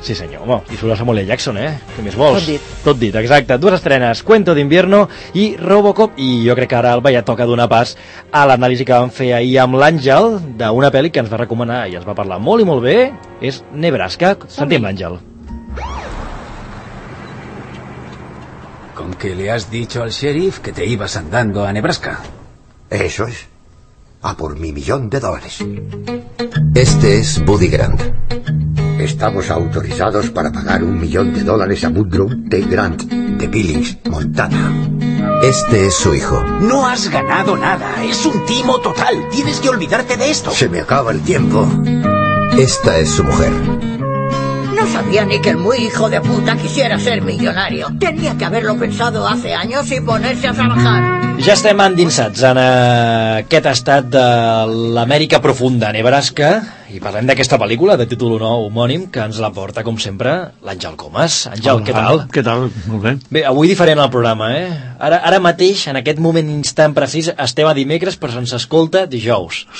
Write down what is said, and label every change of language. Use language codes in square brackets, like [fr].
[ca] Sí, senyor, home, i surt a Samuel L. Jackson, que més vols. Tot dit. Tot dit, exacte. Dues estrenes, Cuento de Invierno i Robocop, i jo crec que ara, Alba, ja toca donar pas a l'anàlisi que vam fer ahir amb l'Àngel d'una pel·li que ens va recomanar i ens va parlar molt i molt bé, és Nebraska. Sentim l'Àngel. [es] ¿Con qué le has dicho al sheriff que te ibas andando a Nebraska? Eso es. A por mi millón de dólares. Este es Buddy Grant. Estamos autorizados para pagar un millón de dólares a Woodrow T. Grant, de Billings, Montana. Este es su hijo. No has ganado nada. Es un timo total. Tienes que olvidarte de esto. Se me acaba el tiempo. Esta es su mujer. No sabía ni que el muy hijo de puta quisiera ser millonario. Tenía que haberlo pensado hace años y ponerse a trabajar. [ca] Ja estem endinsats en aquest estat de l'Amèrica profunda, Nebraska, i parlem d'aquesta pel·lícula de títol nou homònim que ens la porta, com sempre, l'Àngel Comas. Àngel, què tal? Què tal? Molt bé. Bé, avui diferent el programa, eh? Ara mateix, en aquest moment instant precís, estem a dimecres, però se'ns escolta dijous.